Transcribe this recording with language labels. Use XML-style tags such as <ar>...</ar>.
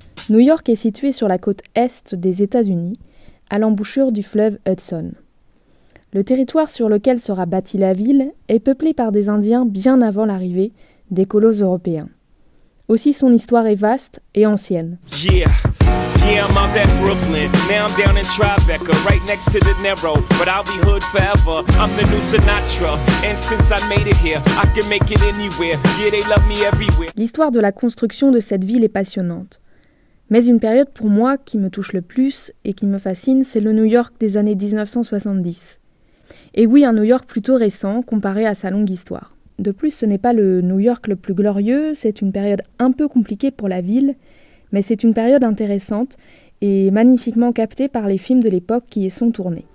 <fr>New York est située sur la côte est des États-Unis, à l'embouchure du fleuve Hudson. Le territoire sur lequel sera bâtie la ville est peuplé par des Indiens bien avant l'arrivée des colons européens. Aussi, son histoire est vaste et ancienne.</fr> <en>Yeah. Yeah, I'm out at Brooklyn, now I'm down in Tribeca, right next to the Narrow, but I'll be hood forever, I'm the new Sinatra, and since I made it here, I can make it anywhere, yeah they love me everywhere.</en> <fr>L'histoire de la construction de cette ville est passionnante, mais une période pour moi qui me touche le plus et qui me fascine, c'est le New York des années 1970. Et oui, un New York plutôt récent comparé à sa longue histoire. De plus, ce n'est pas le New York le plus glorieux, c'est une période un peu compliquée pour la ville, mais c'est une période intéressante et magnifiquement captée par les films de l'époque qui y sont tournés.</fr>